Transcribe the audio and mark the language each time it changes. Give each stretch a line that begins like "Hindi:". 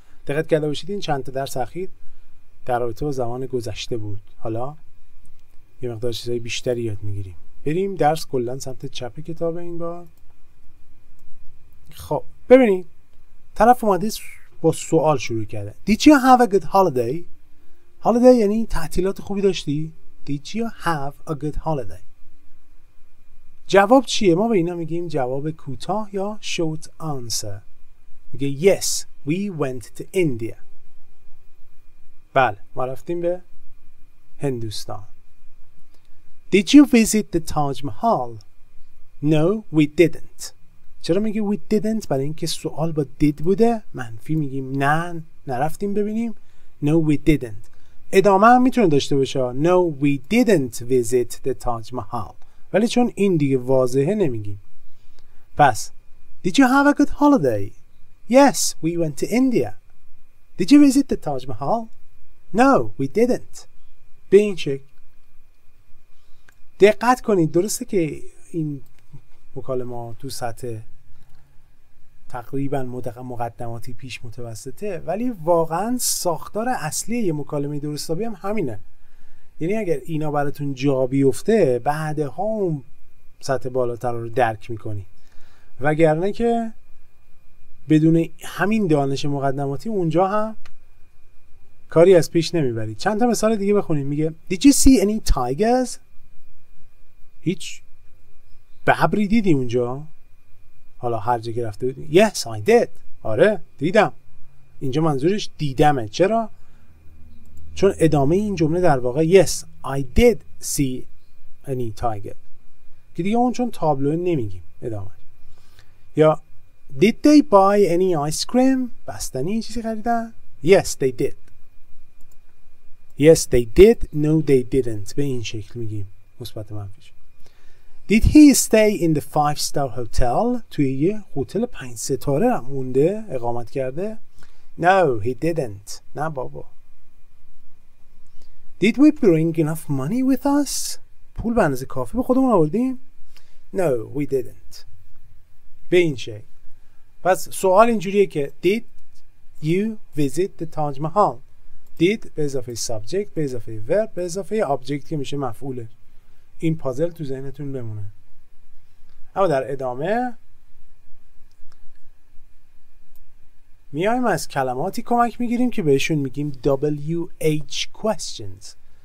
Persian: دقت کرده باشید این چند تا درس اخیر در رابطه با زمان گذشته بود. حالا یه مقدار چیزای بیشتری یاد میگیریم. بریم درس کلن سمت چپ کتاب این بار. خب ببینید، طرف اومده با سوال شروع کرده.
English: Did you have a good holiday؟ holiday
Persian: یعنی تعطیلات خوبی داشتی؟
English: Did you have a good holiday؟
Persian: جواب چیه؟ ما به اینا میگیم جواب کوتاه یا
English: short answer. میگه yes we went to India.
Persian: بله ما رفتیم به هندوستان.
English: Did you visit the Taj Mahal؟ No we didn't.
Persian: چرا میگه
English: we didn't؟
Persian: برای اینکه سوال با did بوده، منفی میگیم نه نرفتیم ببینیم.
English: No we didn't.
Persian: ادامه هم میتونه داشته باشه،
English: No we didn't visit the Taj Mahal،
Persian: ولی چون این دیگه واضحه نمیگیم.
English: پس Did you have a good holiday؟ Yes we went to India. Did you visit the Taj Mahal؟ No we didn't.
Persian: به این شکل دقت کنید. درسته که این مکالمه تو سطح تقریبا مقدماتی پیش متوسطه، ولی واقعا ساختار اصلی یه مکالمه درستابی هم همینه. یعنی اگر اینا براتون جا بیفته بعدها اون سطح بالاتر رو درک میکنی، وگرنه که بدون همین دانش مقدماتی اونجا هم کاری از پیش نمیبری. چند تا مثال دیگه بخونیم. میگه
English: Did you see any tigers؟
Persian: هیچ ببری دیدی اونجا؟ حالا هر جا که رفته بودیم.
English: Yes I did.
Persian: آره دیدم. اینجا منظورش دیدمه. چرا؟ چون ادامه این جمله در واقع
English: Yes I did see any tiger
Persian: که دیگه اون چون تابلو نمیگیم ادامه.
English: یا Did they buy any ice cream؟
Persian: بستنی این چیزی خریدن؟
English: Yes they did. Yes they did. No they didn't.
Persian: به این شکل میگیم مثبت منفیش.
English: Did he stay in the 5-star hotel؟
Persian: توی یه هتل 5 ستاره هم مونده اقامت کرده؟
English: No, he didn't.
Persian: نه بابا.
English: Did we bring enough money with us؟
Persian: پول به اندازه کافی به خودمون آوردیم؟
English: No, we didn't.
Persian: به این شکل. پس سوال اینجوریه که
English: Did you visit the Taj Mahal؟
Persian: Did به اضافه subject، به اضافه verb، به اضافه object که میشه مفعوله. این پازل تو ذهنتون بمونه. اما در ادامه میایم از کلماتی کمک میگیریم که بهشون میگیم WH questions.